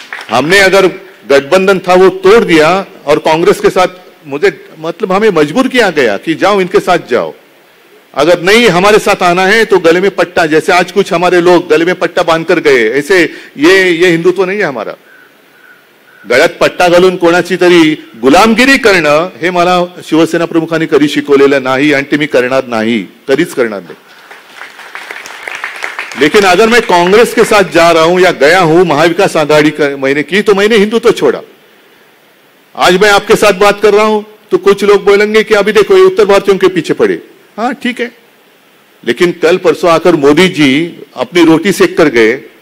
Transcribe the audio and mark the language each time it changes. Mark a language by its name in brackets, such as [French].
[Hindi] हमने अगर गठबंधन था वो तोड़ दिया और कांग्रेस के साथ मुझे मतलब हमें मजबूर किया गया कि जाओ इनके साथ जाओ, अगर नहीं हमारे साथ आना है तो गले में पट्टा, जैसे आज कुछ हमारे लोग गले में पट्टा बांधकर गए, ऐसे ये हिंदुत्व नहीं है हमारा। [Marathi] गळ्यात पट्टा घालून कोणाची तरी गुलामगिरी करणं हे मला शिवसेना प्रमुखांनी कधी शिकवलेलं नाही आणि ते मी करणार नाही, कधीच करणार नाही। [Hindi] लेकिन अगर मैं कांग्रेस के साथ जा रहा हूं या गया हूं महाविकास आघाड़ी मैंने की तो मैंने हिंदुत्व तो छोड़ा। आज मैं आपके साथ बात कर रहा हूं तो कुछ लोग बोलेंगे कि अभी देखो ये उत्तर भारतीयों के पीछे पड़े, हाँ ठीक है, लेकिन कल परसों आकर मोदी जी अपनी रोटी सेक कर गए।